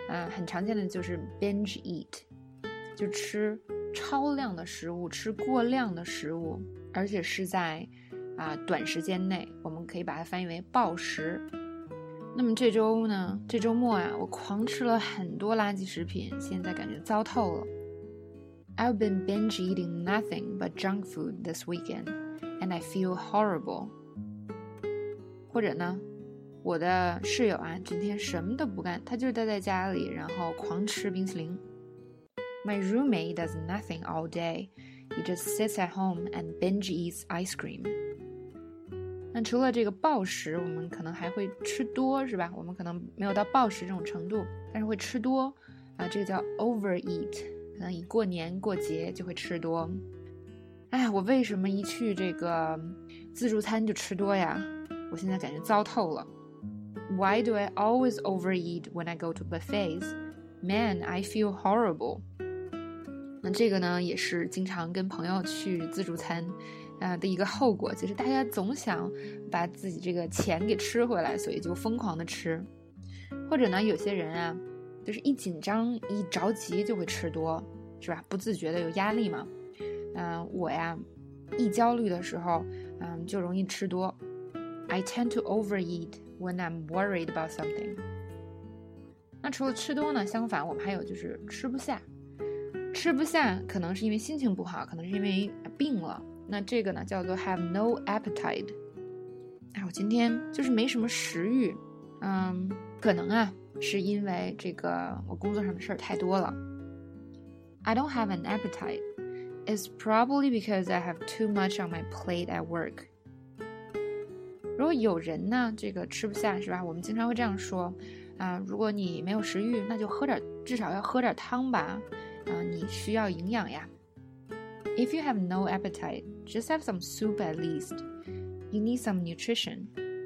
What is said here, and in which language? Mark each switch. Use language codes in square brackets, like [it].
[zh] 很常见的就是 binge eat， 就吃超量的食物，吃过量的食物，而且是在短时间内，我们可以把它翻译为暴食。那么这周末啊，我狂吃了很多垃圾食品，现在感觉糟透了。 [en] I've been binge eating nothing but junk food this weekend, and I feel horrible. [zh] 或者呢？我的室友啊，整天什么都不干，他就待在家里，然后狂吃冰淇淋。 [en] My roommate does nothing all day. He just sits at home and binge eats ice cream. [zh] 那除了这个暴食，我们可能还会吃多，是吧？我们可能没有到暴食这种程度，但是会吃多啊，这个叫 overeat， 可能一过年过节就会吃多。哎，我为什么一去这个自助餐就吃多呀？我现在感觉糟透了。 [en] Why do I always overeat when I go to buffets? Man, I feel horrible. [zh] 那这个呢，也是经常跟朋友去自助餐的一个后果，就是大家总想把自己这个钱给吃回来，所以就疯狂的吃。或者呢，有些人啊，就是一紧张、一着急就会吃多，是吧？不自觉的有压力嘛。我呀，一焦虑的时候，就容易吃多。 [en] I tend to overeat. When I'm worried about something. [zh] 那除了吃多呢，相反我们还有就是吃不下。吃不下可能是因为心情不好，可能是因为病了。那这个呢叫做 [en] have no appetite. [zh] 我今天就是没什么食欲。可能啊是因为这个我工作上的事太多了。 [en] I don't have an appetite. It's probably because I have too much on my plate at work. [zh] 如果有人呢这个吃不下，是吧，我们经常会这样说如果你没有食欲，那就喝点，至少要喝点汤吧你需要营养呀。 [en] If you have no appetite, just have some soup at least. You need some nutrition.